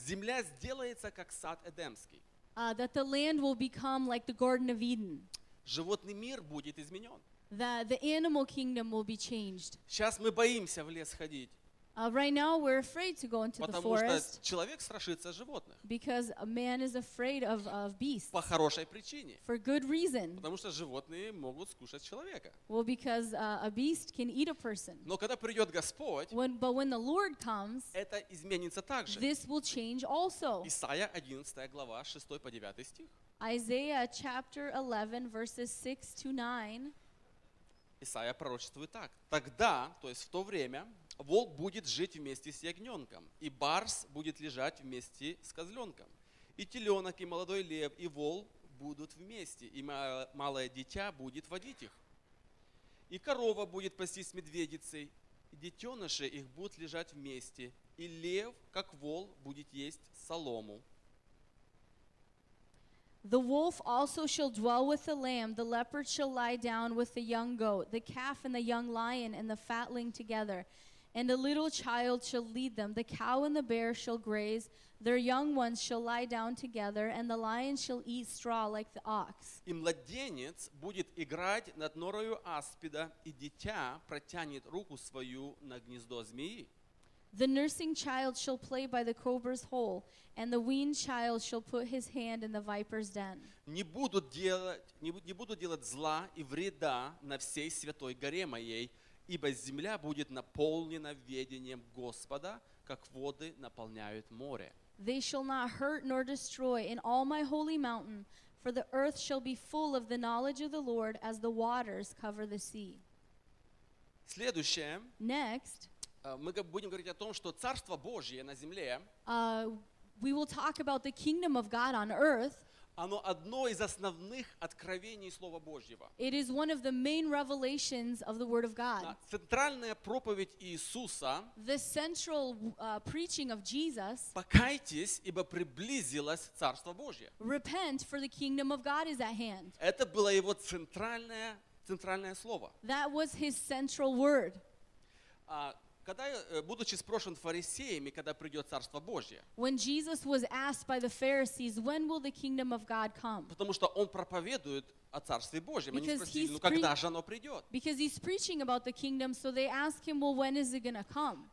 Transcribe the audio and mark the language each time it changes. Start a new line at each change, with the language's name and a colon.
Russian: Земля сделается как сад Эдемский.
English: That the land will become like the Garden of Eden.
Russian: Животный мир будет изменен.
English: That the animal kingdom will be changed.
Russian: Сейчас мы боимся в лес ходить.
English: Right now we're afraid to go into the forest.
Russian: Человек страшится животных.
English: Because a man is afraid of beasts.
Russian: По хорошей причине.
English: For good reason.
Russian: Потому что животные могут скушать человека.
English: Well, because a beast can eat a person.
Russian: Но когда придет Господь,
English: when the Lord comes,
Russian: это изменится также.
English: This will change also.
Russian: Исаия 11 глава 6 по 9 стих.
English: Isaiah chapter 11 verses 6 to 9.
Russian: Исаия пророчествует так: тогда, то есть в то время. Волк будет жить вместе с ягненком, и барс будет лежать вместе с козленком. И теленок, и молодой лев, и вол будут вместе, и малое дитя будет водить их. И корова будет пастись с медведицей, и детеныши их будут лежать вместе, и лев, как вол, будет есть солому.
English: The wolf also shall dwell with the lamb. The leopard shall lie down with the young goat. The calf and the young lion and the fatling together. And a little child shall lead them. The cow and the bear shall graze. Their young ones shall lie down together. And the lion shall eat straw like the ox.
Russian: И младенец будет играть над норою аспида, и дитя протянет руку свою на гнездо змеи.
English: The nursing child shall play by the cobra's hole, and the weaned child shall put his hand in the viper's den.
Russian: Не будут делать зла и вреда на всей святой горе моей, ибо земля будет наполнена ведением Господа, как воды наполняют море.
English: They shall not hurt nor destroy in all my holy mountain, for the earth shall be full of the knowledge of the Lord as the waters cover the sea.
Russian: Следующее.
English: Next.
Russian: Мы будем говорить о том, что Царство Божье на земле,
English: we will talk about the kingdom of God on earth.
Russian: Оно одно из основных откровений Слова Божьего.
English: It is one of the main revelations of the Word of God.
Russian: Центральная проповедь Иисуса.
English: The central preaching of Jesus.
Russian: Покайтесь, ибо приблизилось Царство Божье.
English: Repent, for the kingdom of God is at hand.
Russian: Это было его центральное слово.
English: That was his central word.
Russian: Когда, будучи спрошен фарисеями, когда придет Царство Божье.
English: When Jesus was asked by the Pharisees, when will the kingdom of God come?
Russian: Потому что он проповедует о Царстве Божьем. Они спросили, ну когда же оно придет?
English: Because he's preaching about the kingdom, so they ask him, well, when is it going to come?